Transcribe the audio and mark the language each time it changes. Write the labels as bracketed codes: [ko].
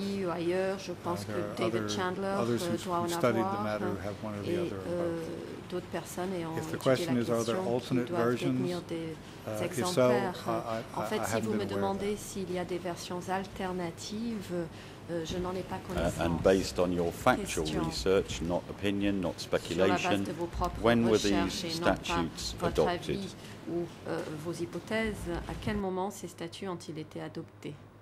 [fr] Ici ou ailleurs, je pense que David Chandler doit en avoir et d'autres personnes et ont étudié la question, qui doivent détenir des exemplaires. So, en fait, si vous me demandez s'il y a des versions alternatives, je n'en ai pas connaissance. [en] And based on your factual research, not opinion, not speculation, when were these statutes adopted? [fr] Ou vos hypothèses, à quel moment ces statuts ont-ils été adoptés?